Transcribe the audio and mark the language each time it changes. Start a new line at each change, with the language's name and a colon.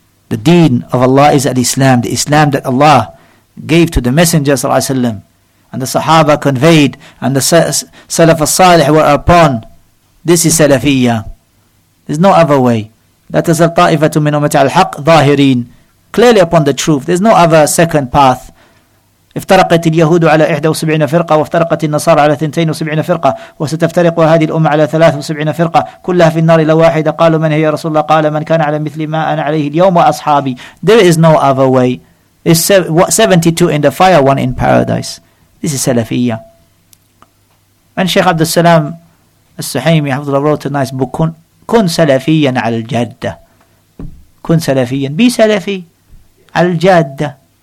English: The deen of Allah is al-Islam, the Islam that Allah gave to the Messenger, sallallahu alayhi wa sallam, and the Sahaba conveyed, and the Salaf al-Salih were upon. This is Salafiyya. There's no other way. That is al-ta'ifatu min umati al-haq zahirin. Clearly upon the truth. There's no other second path.
Arabic: افترقت اليهود على 71 فرقة وافترقت النصارى على 72 فرقة وستفترق هذه الأمة على 73 فرقة كلها في النار إلى واحدة قالوا من هي رسول الله قال من كان على مثل ما أنا عليه اليوم وأصحابي.
English: There is no other way. It's 72 in the fire, one in paradise. This is سلفية. And Sheikh Abdul Salam Al-Suhaymi wrote a nice book,
Arabic: كن سلفيا على الجادة. كن سلفيا.
English: Be
Arabic: سلفي على الجادة.